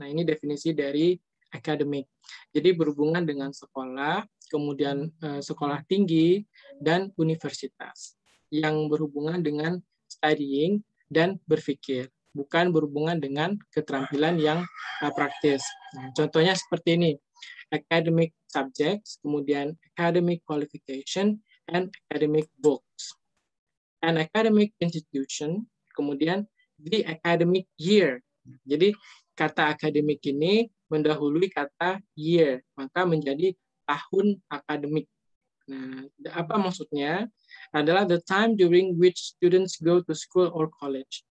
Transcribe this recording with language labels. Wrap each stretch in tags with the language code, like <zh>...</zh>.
<id>Nah, ini definisi dari academic. Jadi berhubungan dengan sekolah, kemudian sekolah tinggi, dan universitas yang berhubungan dengan studying dan berpikir, bukan berhubungan dengan keterampilan yang praktis. Nah, contohnya seperti ini.</id> <en>Academic subjects, kemudian academic qualification, and academic books. An academic institution, kemudian the academic year.</en> <id>Jadi kata academic ini mendahului kata year, maka menjadi tahun akademik. Nah, apa maksudnya?</id> <en>Adalah the time during which students go to school or college.</en>